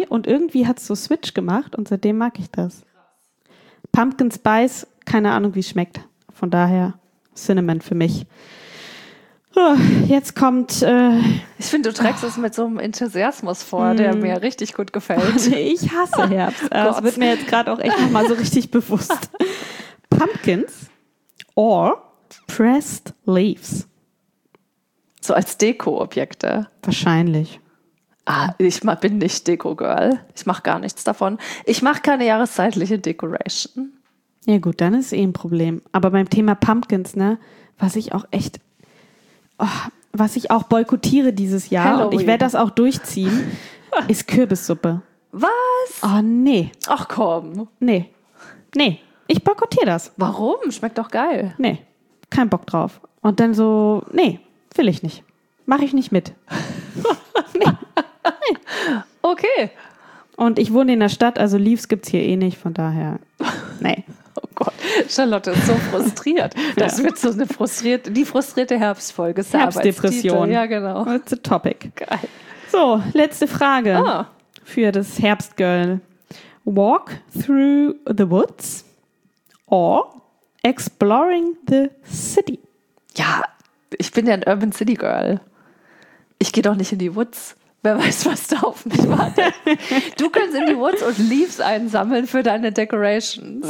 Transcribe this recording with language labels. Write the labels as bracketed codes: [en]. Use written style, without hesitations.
[de] Und irgendwie hat es so Switch gemacht und seitdem mag ich das. Pumpkin Spice, keine Ahnung, wie es schmeckt. Von daher Cinnamon für mich. Jetzt kommt... Ich finde, du trägst es mit so einem Enthusiasmus vor, der mir richtig gut gefällt. Ich hasse Herbst. Das wird mir jetzt gerade auch echt nochmal so richtig bewusst. [en] Pumpkins or pressed leaves. [de] So als Deko-Objekte. Wahrscheinlich. Ah, ich bin nicht Deko-Girl. Ich mache gar nichts davon. Ich mache keine jahreszeitliche Decoration. Ja gut, dann ist eh ein Problem. Aber beim Thema Pumpkins, ne, was ich auch echt, was ich auch boykottiere dieses Jahr, Halloween. Und ich werde das auch durchziehen, ist Kürbissuppe. Was? Oh, nee. Ach komm. Nee. Nee, ich boykottiere das. Warum? Schmeckt doch geil. Nee, kein Bock drauf. Und dann so, nee. Will ich nicht. Mache ich nicht mit. Nee. Okay. Und ich wohne in der Stadt, also Leaves gibt es hier eh nicht, von daher. Nee. Oh Gott, Charlotte ist so frustriert. Das wird so eine frustrierte Herbstfolge. Herbstdepression. Ja, genau. [en] It's a topic. [de] Geil. So, letzte Frage für das Herbstgirl. [en] Walk through the woods or exploring the city? [de] Ja, ich bin ja ein Urban City Girl. Ich gehe doch nicht in die Woods. Wer weiß, was da auf mich wartet. Du kannst in die Woods und Leaves einsammeln für deine Decorations.